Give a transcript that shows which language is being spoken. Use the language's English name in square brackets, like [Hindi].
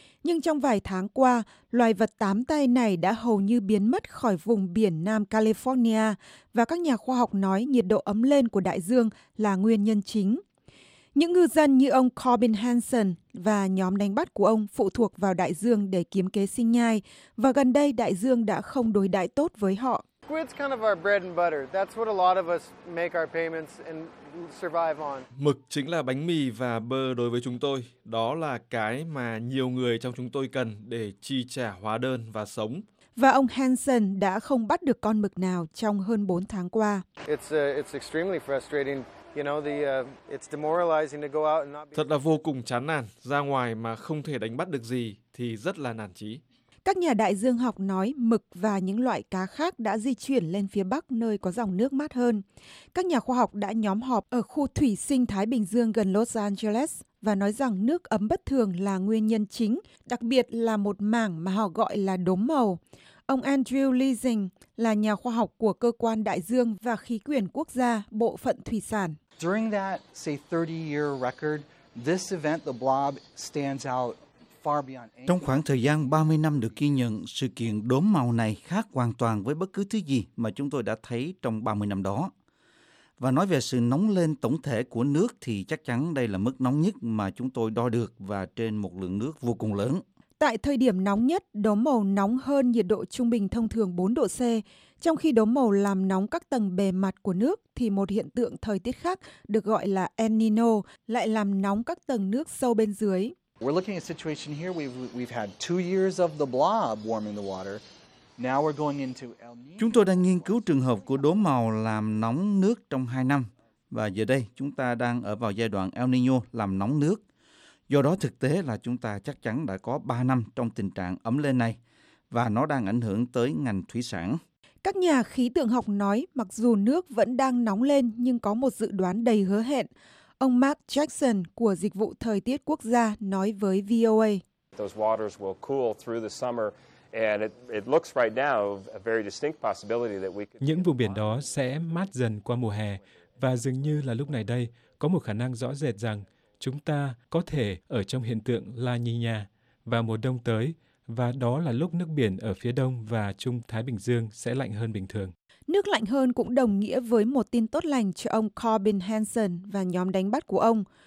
[Vietnamese] Nhưng trong vài tháng qua, loài vật tám tay này đã hầu như biến mất khỏi vùng biển Nam California và các nhà khoa học nói nhiệt độ ấm lên của đại dương là nguyên nhân chính. Những ngư dân như ông Corbin Hansen và nhóm đánh bắt của ông phụ thuộc vào đại dương để kiếm kế sinh nhai, và gần đây đại dương đã không đối đãi tốt với họ. [English] Squid's kind of our bread and butter. That's what a lot of us make our payments and survive on. [Vietnamese] Mực chính là bánh mì và bơ đối với chúng tôi. Đó là cái mà nhiều người trong chúng tôi cần để chi trả hóa đơn và sống. Và ông Hansen đã không bắt được con mực nào trong hơn 4 tháng qua. [English] It's extremely frustrating. You know, it's demoralizing to go out and not be. [Vietnamese] Thật là vô cùng chán nản, ra ngoài mà không thể đánh bắt được gì thì rất là nản chí. Các nhà đại dương học nói mực và những loại cá khác đã di chuyển lên phía Bắc nơi có dòng nước mát hơn. Các nhà khoa học đã nhóm họp ở khu thủy sinh Thái Bình Dương gần Los Angeles và nói rằng nước ấm bất thường là nguyên nhân chính, đặc biệt là một mảng mà họ gọi là đốm màu. Ông Andrew Leasing là nhà khoa học của Cơ quan Đại dương và Khí quyển Quốc gia, Bộ phận Thủy sản. [English] During that, say 30-year record, this event, the blob, stands out. [Vietnamese] Trong khoảng thời gian 30 năm được ghi nhận, sự kiện đốm màu này khác hoàn toàn với bất cứ thứ gì mà chúng tôi đã thấy trong 30 năm đó. Và nói về sự nóng lên tổng thể của nước thì chắc chắn đây là mức nóng nhất mà chúng tôi đo được và trên một lượng nước vô cùng lớn. Tại thời điểm nóng nhất, đốm màu nóng hơn nhiệt độ trung bình thông thường 4 độ C. Trong khi đốm màu làm nóng các tầng bề mặt của nước thì một hiện tượng thời tiết khác được gọi là El Nino lại làm nóng các tầng nước sâu bên dưới. [English] We're looking at a situation here. We've had 2 years of the blob warming the water. Now we're going into El Nino. [Vietnamese] Chúng tôi đang nghiên cứu trường hợp của đốm màu làm nóng nước trong 2 năm. Và giờ đây, chúng ta đang ở vào giai đoạn El Nino làm nóng nước. Do đó, thực tế là chúng ta chắc chắn đã có 3 năm trong tình trạng ấm lên này. Và nó đang ảnh hưởng tới ngành thủy sản. Các nhà khí tượng học nói mặc dù nước vẫn đang nóng lên nhưng có một dự đoán đầy hứa hẹn. Ông Mark Jackson của Dịch vụ Thời tiết Quốc gia nói với VOA. [English] Those waters will cool through the summer and it looks right now a very distinct possibility that we could. [Vietnamese] Những vùng biển đó sẽ mát dần qua mùa hè và dường như là lúc này đây có một khả năng rõ rệt rằng chúng ta có thể ở trong hiện tượng La Niña vào mùa đông tới và đó là lúc nước biển ở phía đông và trung Thái Bình Dương sẽ lạnh hơn bình thường. Nước lạnh hơn cũng đồng nghĩa với một tin tốt lành cho ông Corbin Hansen và nhóm đánh bắt của ông.